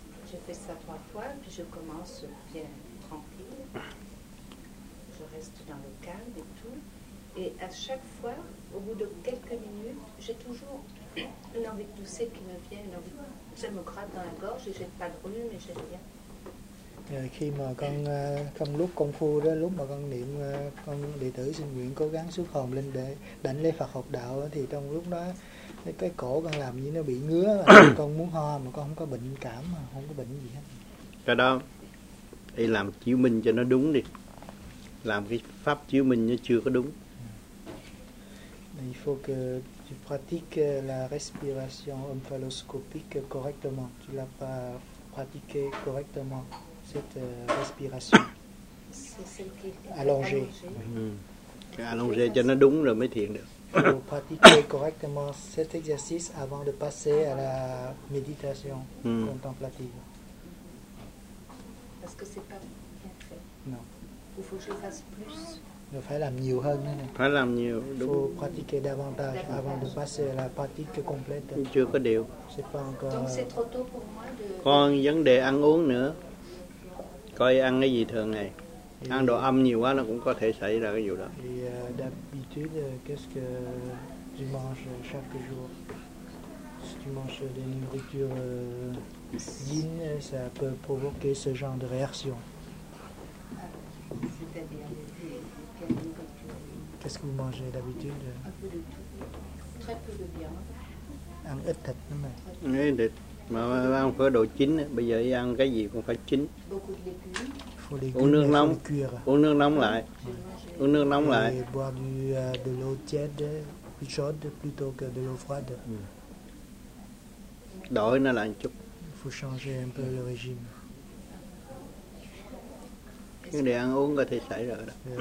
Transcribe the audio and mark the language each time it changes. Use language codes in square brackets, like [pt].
[fr] Je fais ça trois fois, puis je commence bien tranquille. Je reste dans le calme et tout. Et à chaque fois, au bout de quelques minutes, j'ai toujours une envie de tousser qui me vient. Une envie de... Ça me gratte dans la gorge et j'ai pas de rhume et j'ai rien. [vi] Khi mà con trong lúc công phu đó, lúc mà con niệm con đệ tử xin nguyện cố gắng xuất hồn lên để đảnh lễ Phật học đạo đó, thì trong lúc đó cái cổ con làm như nó bị ngứa, con muốn ho mà con không có bệnh cảm, mà không có bệnh gì hết. Cái đó thì làm chiếu minh cho nó đúng đi, làm cái pháp chiếu minh nó chưa có đúng. [fr] Il faut que tu pratiques la respiration omphaloscopique correctement. Tu l'as pas pratiqué correctement. Cette respiration allongée. [vi] Allongée, cho nó đúng rồi mới thiền được. [fr] Vous pratiquez correctement cet exercice avant de passer à la méditation contemplative. Parce que c'est pas bien fait. Non. Il faut que je fasse plus. Il faut faire plus. Il faut [vi] làm nhiều, [fr] faut pratiquer davantage avant de passer à la pratique complète. Chưa có điều. C'est pas encore. Donc c'est trop tôt pour moi de. [vi] Còn vấn đề ăn uống nữa. Coi ăn cái gì thường ngày. Ăn đồ âm nhiều quá nó cũng có thể xảy ra cái vụ đó. [fr] Et d'habitude, qu'est-ce que tu manges chaque jour? Si tu manges des nourritures yin, ça peut provoquer ce genre de réaction. Qu'est-ce que vous mangez d'habitude? Un peu de tout. Très peu de viande. [vi] Ăn ít thịt. Mà ăn phải đồ chín, bây giờ ăn cái gì cũng phải chín. Uống nước nóng, uống nước nóng lại, uống nước nóng lại. [fr] Boire du de l'eau tiède, plus chaude plutôt que de l'eau froide. [vi] Đổi nó lại một chút. [fr] Faut changer un peu le régime. [vi] Cái đề ăn uống có thể xảy ra đó.